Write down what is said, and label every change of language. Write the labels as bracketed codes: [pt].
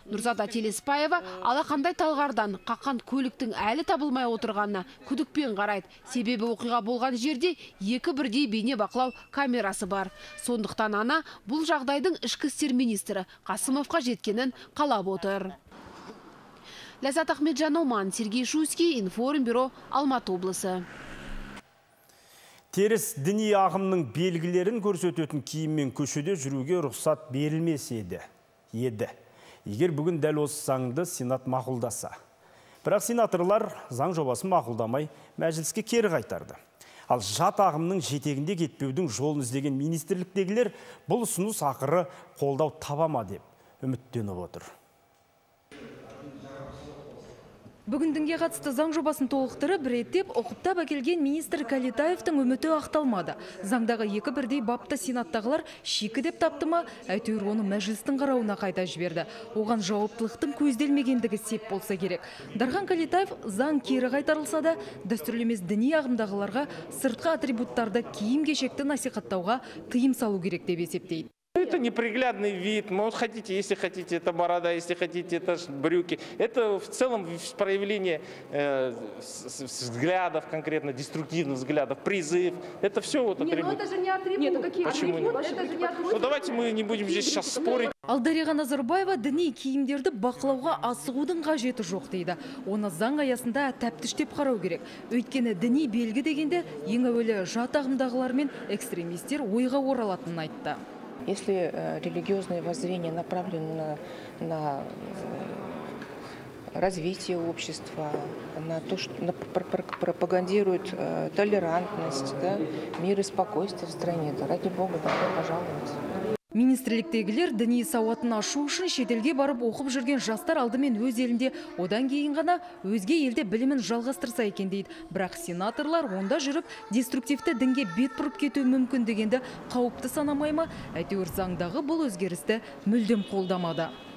[kk] Нұрзада Телеспаева алақандай талғардан қаққан көліктің әлі табылмай отырғанына күдікпен қарайды. Себебі оқиға болған жерде екі бірдей бейне бақылау камерасы бар. Сондықтан ана бұл жағдайдың ішкі істер министрі Қасымовқа жеткенін қалап отыр. Ләззат Ахметжан Оман, Сергей Шуйский, Информбюро, Алматы облысы. Терес діни ағымның белгілерін көрсететін киіммен көшеде жүруге рұқсат берілмесе еді. Егер бүгін дәл осы заңды сенат мақұлдаса. Бірақ сенаторлар заң жобасын мақұлдамай мәжіліске кері қайтарды. Ал жат ағымның жетегінде кетпеудің жолын іздеген министрліктегілер бұл ұсыныс ақыры қолдау табама деп үміттеніп отыр. Бүгіндіңге қатысты заң жобасын толықтыры біреттеп, оқыптап әкелген министр Калетаевтың үміті ақталмады. Заңдағы екі бірдей бапты сенаттағылар шекі деп таптыма, әйтеуір оны мәжілістің қарауына қайта жіберді. Оған жауаптылықтың көзделмегендігі сеп болса керек. Дархан Калетаев заң кері қайтарылса да, дәстүрлемес діни ағымдағыларға сыртқы атрибуттарды киім кешекті насихаттауға тыйым салу керек деп есептейді. [ru] Это неприглядный вид. Ну, вот хотите, если хотите, это борода, если хотите, это брюки. Это в целом проявление взглядов конкретно, деструктивных взглядов, призыв. Это все вот атрибуты. Нет, ну это же не атрибуты. Нет, ну какие Почему? Атрибуты? Это же не атрибуты. Ну давайте мы не будем здесь сейчас спорить. [kk] Ал Дариға Назарбаева діни киімдерді бақылауға асығудың қажеті жоқ дейді. Оны заң аясында тәптіштеп қарау керек. Өйткені діни белгі дегенде ең әуелі жат ағымдағылар мен экстремистер ойға оралатынын айтты. [ru] Если религиозное воззрение направлено на развитие общества, на то, что пропагандирует толерантность, да, мир и спокойствие в стране, то ради Бога, добро пожаловать. [kk] Министрліктегілер діни сауатын ашу үшін шетелге барып оқып жүрген жастар алдымен өз елінде, одан кейін ғана өзге елде білімін жалғастырса екен дейді. Бірақ сенаторлар онда жүріп, деструктивті дінге бет бұрып кету мүмкін дегенді қауіпті санамайма, әйтеуір заңдағы бұл өзгерісті мүлдем қолдамады.